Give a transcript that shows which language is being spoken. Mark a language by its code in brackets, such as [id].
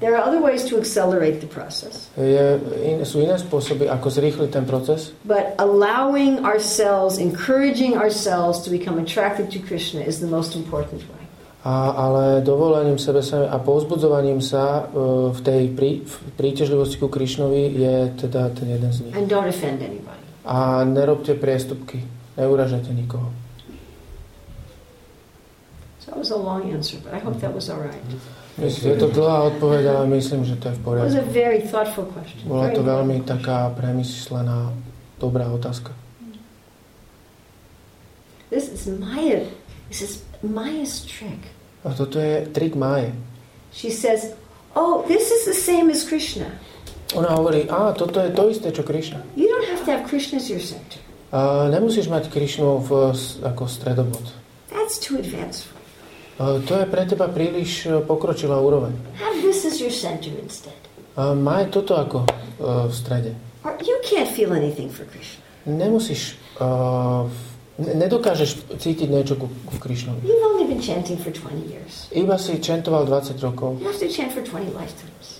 [en] There are other ways to accelerate the process. [sk] Sú iné spôsoby, ako zrýchliť ten proces. [en] But allowing ourselves, encouraging ourselves to become attracted to Krishna is the most important way. [sk] Ale dovolením sebe sami a povzbudzovaním sa v tej príťažlivosti ku Krišnovi je teda ten jeden z nich. [en] And don't offend anybody. [sk] A nerobte priestupky, neurážajte nikoho. [en] That was a long answer, but I hope that was all right. [sk] Je to dlhá odpoveď, ale myslím, že to je v poriadku. [en] It was a very thoughtful question. [sk] Bola to veľmi taká premyslená, dobrá otázka. [en] This is Maya. This is Maya's trick. [sk] A toto je trik Maje. [en] She says, oh, this is the same as Krishna. [sk] Ona hovorí, toto je to isté, čo Krishna. [en] You don't have have to have Krishna as your center. [sk] Nemusíš mať Krishnu v ako stredobod. [en] That's too advanced. [sk] To je pre teba príliš pokročilá úroveň. [en] Have this as your center instead. [sk] Maj toto ako v strede. [en] Or you can't feel anything for Krishna. [sk] Nemusíš nedokážeš cítiť niečo v Krišnovi. [en] You've only been chanting for 20 years. [sk] Iba si chantoval 20 rokov. [en] You have to chant for 20 lifetimes.